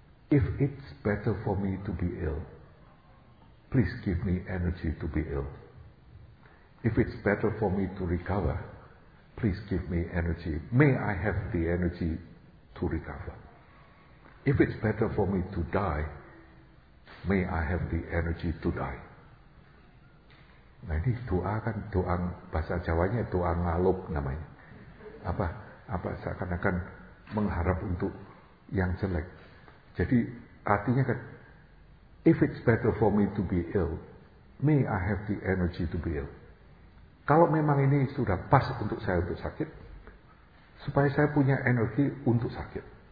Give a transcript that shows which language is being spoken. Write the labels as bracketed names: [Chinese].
[English] If it's better for me to be ill, please give me energy to be ill. If it's better for me to recover, please give me energy. May I have the energy to recover. If it's better for me to die, may I have the energy to die. [Indonesian] Nah, ini doa kan, doa bahasa Jawanya doa ngalup namanya. Seakan-akan mengharap untuk yang jelek. Jadi artinya kan, [English] if it's better for me to be ill, may I have the energy to be ill. [Indonesian] Kalau memang ini sudah pas untuk saya untuk sakit, supaya saya punya energi untuk sakit.